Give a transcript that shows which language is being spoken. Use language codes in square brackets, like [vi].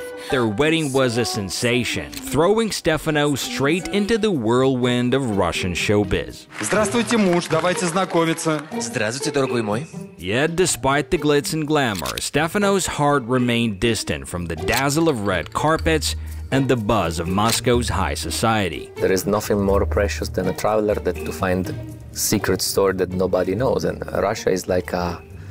[en] Their wedding was a sensation, throwing Stefano straight into the whirlwind of Russian showbiz. [ru] Здравствуйте, муж, давайте знакомиться. Здравствуйте, дорогой мой. [en] Yet despite the glitz and glamour, Stefano's heart remained distant from the dazzle of red carpets and the buzz of Moscow's high society. There is nothing more precious than a traveler that to find a secret store that nobody knows, and Russia is like a